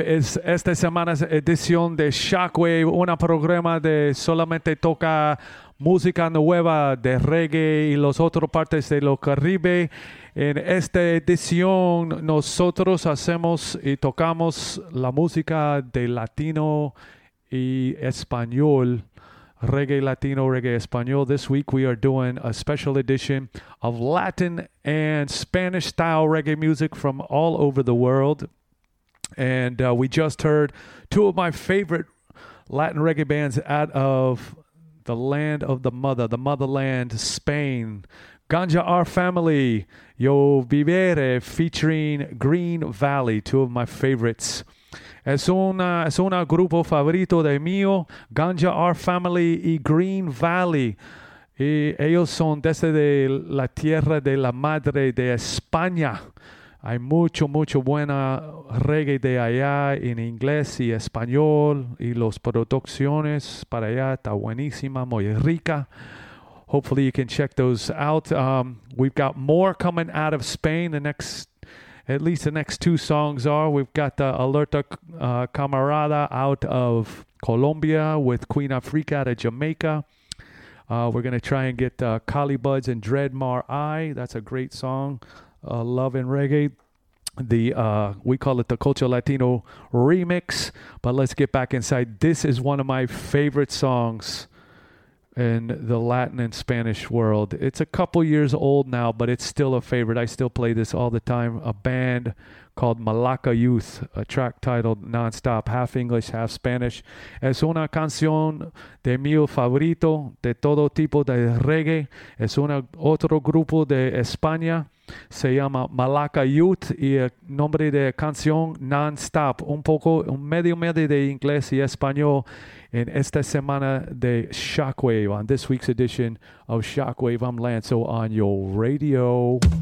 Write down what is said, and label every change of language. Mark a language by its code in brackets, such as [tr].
[es] Es esta semana's edición de Shockwave, un programa de solamente toca música nueva de reggae y las otras partes de los Caribe. En esta edición nosotros hacemos y tocamos la música de latino y español. Reggae latino, reggae español. [en] This week we are doing a special edition of Latin and Spanish style reggae music from all over the world. And we just heard two of my favorite Latin reggae bands out of the land of the motherland, Spain. Ganja R Family, Yo Vivere, featuring Green Valley, two of my favorites. [es] Es un grupo favorito de mío, Ganja R Family y Green Valley. Y ellos son desde la tierra de la madre de España. Hay mucho, mucho buena reggae de allá en inglés y español. Y las producciones para allá está buenísima, muy rica. [en] Hopefully you can check those out. We've got more coming out of Spain the next... At least the next two songs are. We've got the Alerta Camarada out of Colombia with Queen Africa out of Jamaica. We're going to try and get Kali Buds and Dreadmar Eye. That's a great song. Love and reggae. the we call it the Culto Latino remix, but let's get back inside. This is one of my favorite songs in the Latin and Spanish world. It's a couple years old now, but it's still a favorite. I still play this all the time. A band called Malaca Youth, a track titled Nonstop, half English, half Spanish. [es] Es una canción de mi favorito de todo tipo de reggae. Es una otro grupo de España. Se llama Malaca Youth y el nombre de canción Nonstop. Un poco, un medio de inglés y español en esta semana de Shockwave. [en] On this week's edition of Shockwave, I'm Lanzo on your radio.